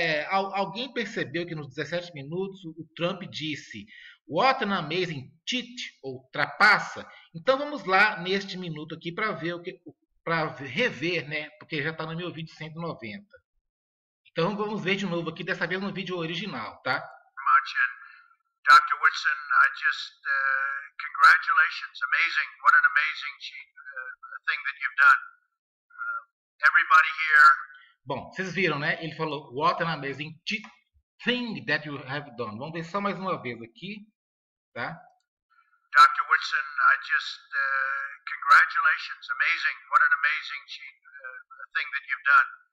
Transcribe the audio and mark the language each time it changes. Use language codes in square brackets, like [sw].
[pt] Alguém percebeu que nos 17 minutos o Trump disse: [en] "What an amazing cheat", [pt] ou trapaça. Então vamos lá neste minuto aqui para ver o que, para rever, né? Porque já está no meu vídeo 190. Então vamos ver de novo aqui, dessa vez no vídeo original, tá? [en] Dr. Woodson, I just congratulations. Amazing. What an amazing thing that you've done. Everybody here. [pt] Bom, vocês viram, né? Ele falou: [en] "What an amazing thing that you have done." [pt] Vamos ver só mais uma vez aqui, tá? [en] Dr. Woodson, I just congratulations. Amazing. What an amazing thing that you've done.